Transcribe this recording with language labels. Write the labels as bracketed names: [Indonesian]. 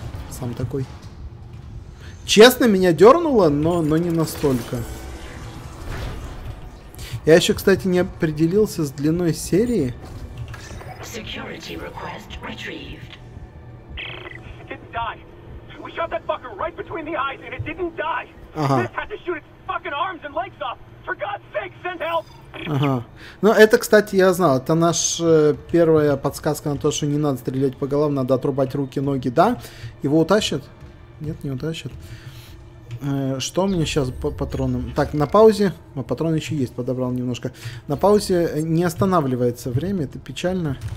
[Russian] Сам такой. Честно, меня дернуло, но не настолько. Я еще, кстати, не определился с длиной серии. [English] Security request retrieved. It died. We shot that fucker right between the eyes and it didn't die. [Russian] Ага. [English] This had to shoot its fucking arms and legs off. For God's sake, send help. [Russian] Ага. Ну, это, кстати, я знал. Это наша первая подсказка на то, что не надо стрелять по головам, надо отрубать руки, ноги, да? Его утащат? Нет, не утащат. Что у меня сейчас по патронам? Так, на паузе. А патрон еще есть, подобрал немножко. На паузе не останавливается время, это печально.